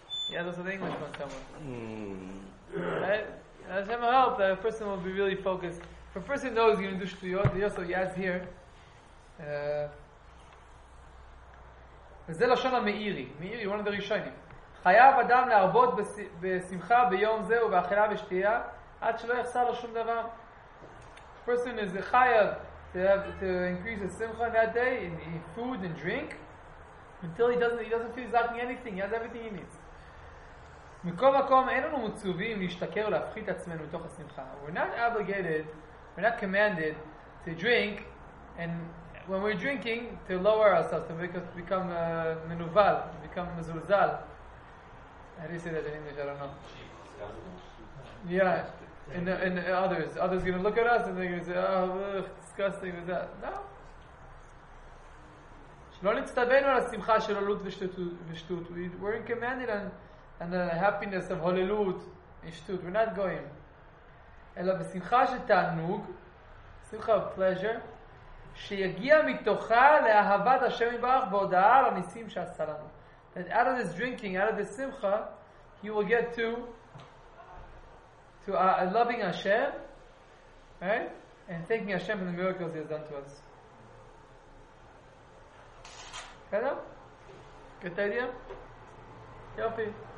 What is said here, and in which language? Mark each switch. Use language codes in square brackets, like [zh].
[en] Yeah, there's an English one somewhere. Right? Hashem helps, the person will be really focused. If a person knows he's going to do shtuyot, he also adds here. [he] וזה לשון המאירי. מאירי, [en] one of the Rishonim. [he] חייב אדם להרבות בשמחה ביום זה ובאכילה ושתייה, עד שלא יחסר לו שום דבר. [en] Person is chayav. To increase his simcha that day in food and drink, until he doesn't feel he's lacking anything, he has everything he needs. [he] מכל מקום, אין לנו מצווים להשתכר או להפחית עצמנו תוך השמחה. [en] We're not obligated, we're not commanded to drink, and when we're drinking, to lower ourselves, to become מנובל, to become מזולזל. How do you say that in English? I don't know. Yeah, and others. Others are going to look at us and they're going to say, oh, ugh, disgusting, is that? No. [he] לא נצטבנו על השמחה של הולות ושטות. [en] We're commanded on the happiness of הוללות ושטות. We're not going. [he] אלא בשמחה של תענוג, שמחה [en] of pleasure, [he] שיגיע מתוכה לאהבת השם יברך בהודעה על הניסים שעשה לנו. [en] That out of this drinking, out of this simcha, you will get to loving Hashem, right? And thanking Hashem for the miracles He has done to us. Hello? Get the idea? Yopi.